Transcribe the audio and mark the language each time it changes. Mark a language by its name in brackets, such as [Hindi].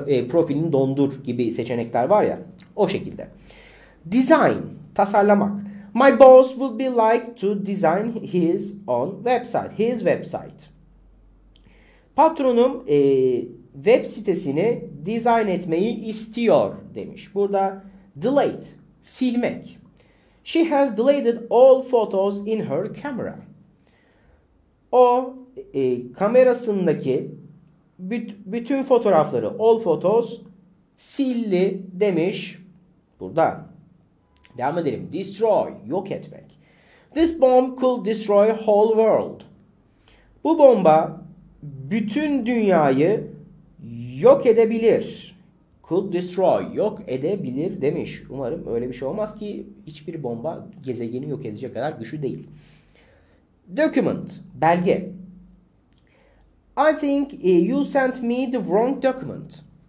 [Turkish] Profilini dondur gibi seçenekler var ya, o şekilde. Design. Tasarlamak. [English] My boss would be like to design his own website. His website. [Turkish] Patronum web sitesini dizayn etmeyi istiyor demiş. Burada delete, silmek. [English] She has deleted all photos in her camera. [Turkish] O kamerasındaki bütün fotoğrafları, all photos, sildi demiş. Burada. Devam edelim. Destroy, yok etmek. [English] This bomb could destroy whole world. [Turkish] Bu bomba bütün dünyayı yok edebilir. Could destroy, yok edebilir demiş. Umarım öyle bir şey olmaz ki, hiçbir bomba gezegeni yok edecek kadar güçlü değil. Document, belge. [English] I think you sent me the wrong document.